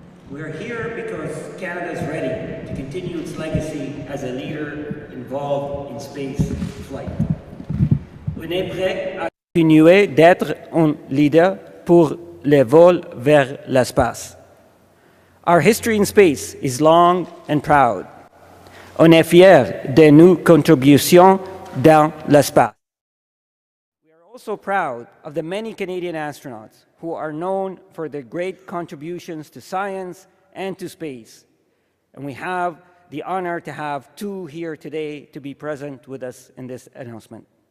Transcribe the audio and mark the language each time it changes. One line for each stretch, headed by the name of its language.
English: We are here because Canada is ready to continue its legacy as a leader involved in space flight.
French: On est prêt à continuer d'être un leader pour les vols vers l'espace.
English: Our history in space is long and proud.
French: On est fier de nos contributions dans l'espace.
English: We are also proud of the many Canadian astronauts who are known for their great contributions to science and to space. And we have the honor to have two here today to be present with us in this announcement.